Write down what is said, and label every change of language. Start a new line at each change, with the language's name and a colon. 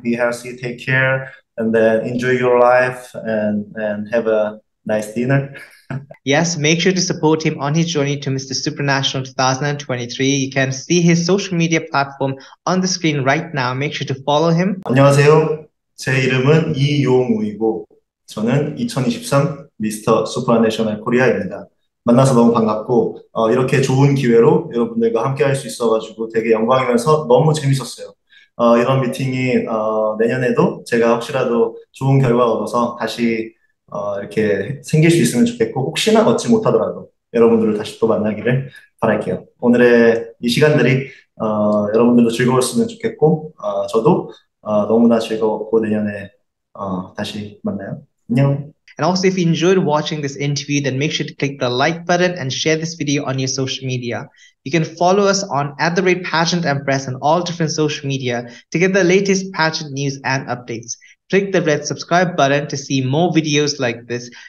English: Be healthy, take care, and then enjoy your life and have a nice dinner. Yes, make sure to support him on his journey to Mr. Supranational 2023. You can see his social media platform on the screen right now. Make sure to follow him.
Korean: 안녕하세요. 제 이름은 이용우이고. 저는 2023 미스터 슈퍼내셔널 코리아입니다. 만나서 너무 반갑고 이렇게 좋은 기회로 여러분들과 함께 할 수 있어가지고 되게 영광이면서 너무 재밌었어요. 이런 미팅이 내년에도 제가 혹시라도 좋은 결과 얻어서 다시 이렇게 생길 수 있으면 좋겠고 혹시나 얻지 못하더라도 여러분들을 다시 또 만나기를 바랄게요. 오늘의 이 시간들이 여러분들도 즐거웠으면 좋겠고 저도 너무나 즐거웠고 내년에 다시 만나요. 안녕.
English: And also, if you enjoyed watching this interview, then make sure to click the like button and share this video on your social media. You can follow us on @PageantEmpress and all different social media to get the latest pageant news and updates. Click the red subscribe button to see more videos like this.